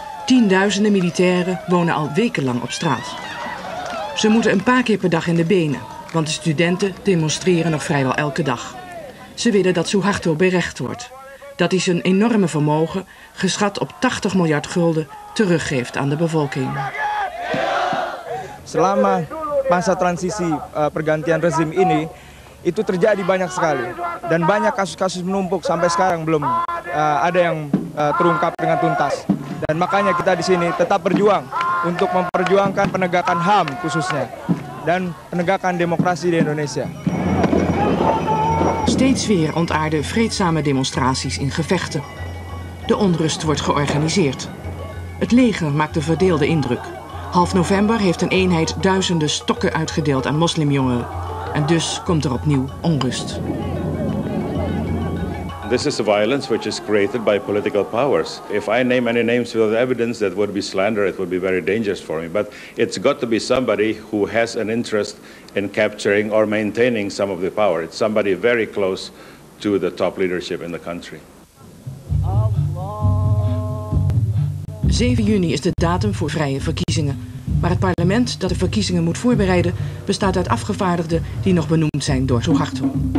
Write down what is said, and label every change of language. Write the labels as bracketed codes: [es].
[nl] Tienduizenden militairen wonen al wekenlang op straat. Ze moeten een paar keer per dag in de benen, want de studenten demonstreren nog vrijwel elke dag. Ze willen dat Suharto berecht wordt. Dat hij zijn enorme vermogen, geschat op 80 miljard gulden, teruggeeft aan de bevolking. [id] Selama masa transisi pergantian rezim ini, itu terjadi banyak sekali. Dan banyak kasus-kasus menumpuk sampai sekarang belum ada yang terungkap dengan tuntas. Dan makanya kita di sini tetap berjuang untuk memperjuangkan penegakan HAM khususnya dan penegakan demokrasi di Indonesia. [nl] Steeds weer ontaarden vreedzame demonstraties in gevechten. De onrust wordt georganiseerd. Het leger maakt een verdeelde indruk. Half november heeft een eenheid duizenden stokken uitgedeeld aan moslimjongeren. En dus komt er opnieuw onrust. [en] This is a violence which is created by political powers. If I name any names without evidence, that would be slander. It would be very dangerous for me. But it's got to be somebody who has an interest in capturing or maintaining some of the power. It's somebody very close to the top leadership in the country. [nl] 7 juni is de datum voor vrije verkiezingen. Maar het parlement dat de verkiezingen moet voorbereiden bestaat uit afgevaardigden die nog benoemd zijn door Suharto.